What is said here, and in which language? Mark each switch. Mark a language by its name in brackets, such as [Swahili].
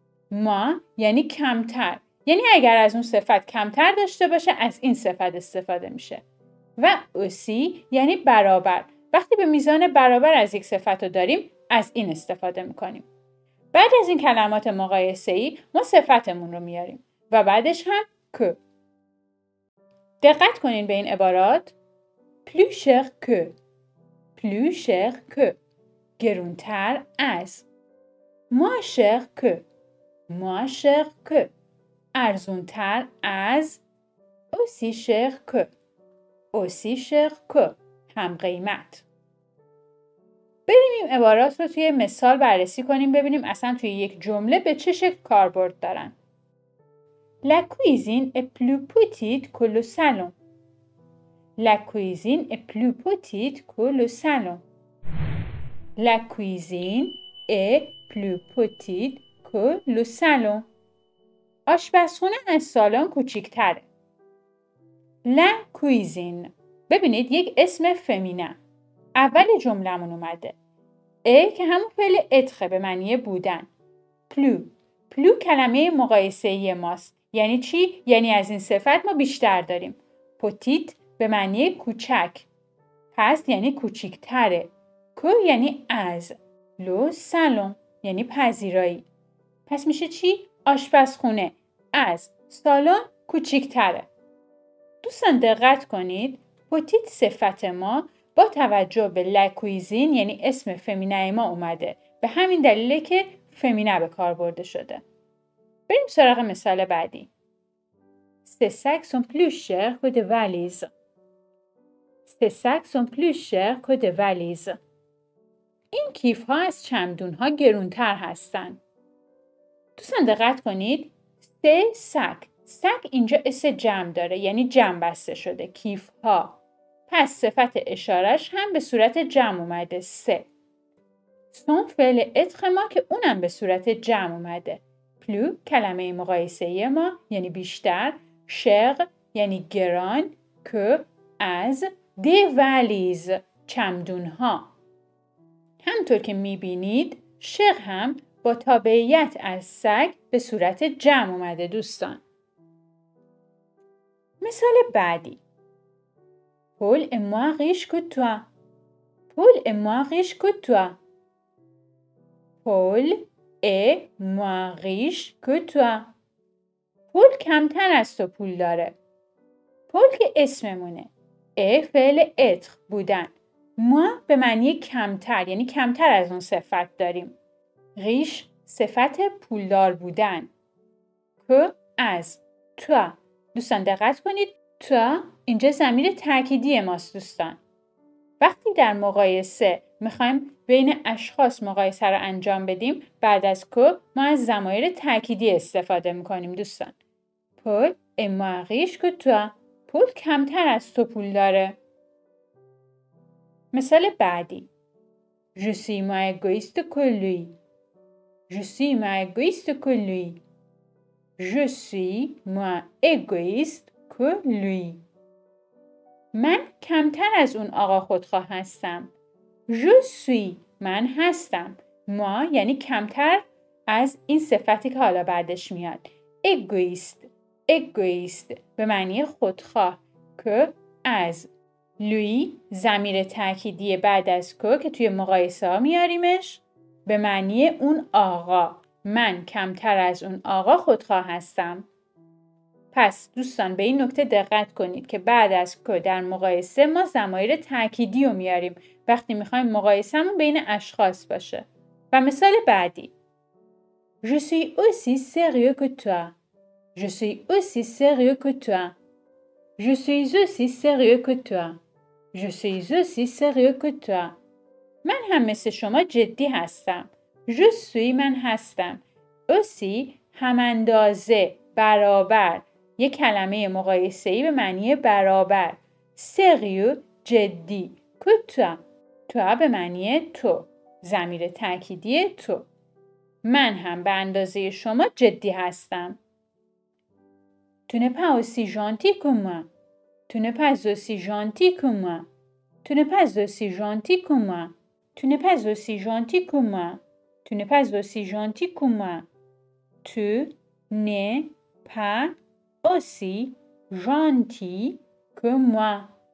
[Persian] ما یعنی کمتر، یعنی اگر از اون صفت کمتر داشته باشه از این صفت استفاده میشه. و اوسی یعنی برابر، وقتی به میزان برابر از یک صفت رو داریم از این استفاده میکنیم. بعد از این کلمات مقایسه‌ای ما صفتمون رو میاریم و بعدش هم که. دقت کنین به این عبارات. [French] plus cher que، plus cher que، [Persian] گرونتر از. [French] moins cher que، moins cher que، [Persian] ارزونتر از. [French] aussi cher que، aussi cher que، [Persian] هم قیمت. بریم این عبارات رو توی مثال بررسی کنیم، ببینیم اصلا توی یک جمله به چه شکل کاربرد دارن. [French] La cuisine est plus petite que le salon. La cuisine est plus petite que le salon. La cuisine est plus petite que le salon. [Persian] آشپزخونه از سالن کوچیک‌تره. [French] La cuisine. [Persian] ببینید یک اسم فمینه. اول جمله‌مون اومده. ای که همون فعل اتخه به معنی بودن. پلو. پلو کلمه مقایسه ای ماست. یعنی چی؟ یعنی از این صفت ما بیشتر داریم. پوتیت به معنی کوچک. پس یعنی کوچیکتره. کو یعنی از. لو سالون یعنی پذیرایی. پس میشه چی؟ آشپزخونه. از. سالون کوچیکتره. دوستان دقت کنید. پوتیت صفت ما، با توجه به لا کوزین یعنی اسم فمینه ما اومده، به همین دلیل که فمینه به کار برده شده. بریم سراغ مثال بعدی. [French] Ces sacs sont plus chers que des valises. Ces sacs sont plus chers que des valises. [Persian] این کیف ها از چمدون ها گرونتر هستن. دوستان دقت کنید. [French] Ces sacs. [Persian] Sac اینجا اس جمع داره، یعنی جمع بسته شده. کیف ها. پس صفت اشارش هم به صورت جمع اومده. سه. سون فعل اتخ ما که اونم به صورت جمع اومده. پلو کلمه مقایسه ما یعنی بیشتر. شر یعنی گران. که از. دی ولیز چمدون ها. همطور که میبینید شر هم با تابعیت از سگ به صورت جمع اومده دوستان. مثال بعدی. [French] Paul est moins riche que toi. Paul est moins riche que toi. Paul est moins riche que toi. [Persian] Paul کمتر از تو پول داره. Paul که اسممونه. فعل اتر بودن. ما به معنی کمتر، یعنی کمتر از اون صفت داریم. ریش صفت پولدار بودن. که از. تو. دوستان دقت کنید. تو اینجا ضمیر تأکیدی ماست دوستان. وقتی در مقایسه میخوایم بین اشخاص مقایسه را انجام بدیم، بعد از که ما از ضمایر تأکیدی استفاده میکنیم دوستان. پول اما غیش که تو پول کمتر از تو پول داره. مثال بعدی. [French] Je suis moins égoïste que lui. Je suis moins égoïste que lui. Je suis moins égoïste [Persian] که لوی. من کمتر از اون آقا خودخواه هستم. [French] Je suis. [Persian] من هستم. ما یعنی کمتر از این صفتی که حالا بعدش میاد. Egoist. Egoist. به معنی خودخواه. که از لوی ضمیر تأکیدی بعد از که توی مقایسه ها میاریمش به معنی اون آقا. من کمتر از اون آقا خودخواه هستم. پس دوستان به این نکته دقت کنید که بعد از که در مقایسه ما ضمایر تأکیدی رو میاریم وقتی میخوایم مقایسه‌مون بین اشخاص باشه. و مثال بعدی. [French] Je suis aussi sérieux que toi. Je suis aussi sérieux que toi. Je suis aussi sérieux que toi. Je suis aussi sérieux que toi. [Persian] من هم مثل شما جدی هستم. [French] Je suis [Persian] من هستم. Aussi هم اندازه برابر. یک کلمه مقایسه‌ای به معنی برابر. Sérieux جدی. [French] Que toi. [Persian] تو به معنی تو. ضمیر تأکیدی تو. من هم به اندازه شما جدی هستم. [French] Tu n'es pas aussi gentil que moi. Tu n'es pas aussi gentil que moi. Tu n'es pas aussi gentil que moi. Tu n'es pas aussi gentil que moi. Tu n'es pas aussi gentil que moi. Tu n'es pas aussi gentil que moi.